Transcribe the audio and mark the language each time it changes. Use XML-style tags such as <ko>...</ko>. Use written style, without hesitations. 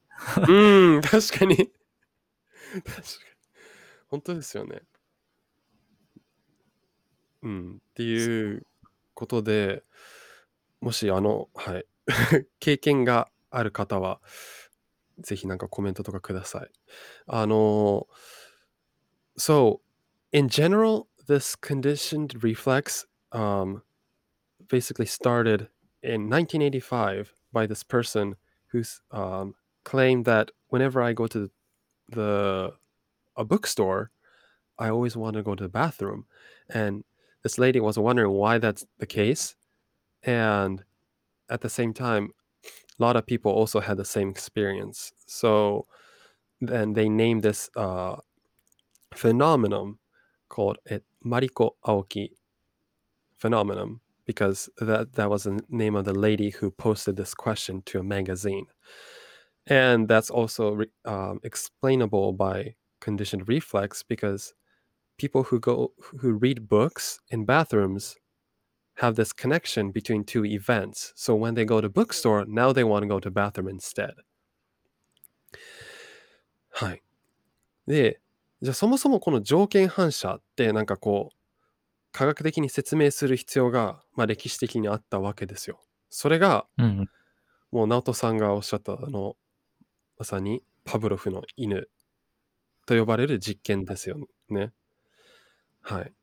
<ja>確かに確かに本当ですよね。うん、っていうことで、もしはい、経験がある方はぜひなんかコメントとかください。</ja> <en>So in general, this conditioned reflex basically started in 1985 by this person who's claimed that whenever I go to a bookstore, I always want to go to the bathroom. And this lady was wondering why that's the case. And at the same time, a lot of people also had the same experience. So then they named this phenomenon called it Mariko Aoki phenomenon, because that was the name of the lady who posted this question to a magazine. And that's also explainable by conditioned reflex, because people who read books in bathrooms have this connection between two events. So when they go to bookstore, now they want to go to bathroom instead.</en> <ja>はい。で、じゃあそもそもこの条件反射ってなんかこう科学的に説明する必要が、まあ、歴史的にあったわけですよ。それが、うん、もう直人さんがおっしゃったまさにパブロフの犬と呼ばれる実験ですよね。はい。</ja>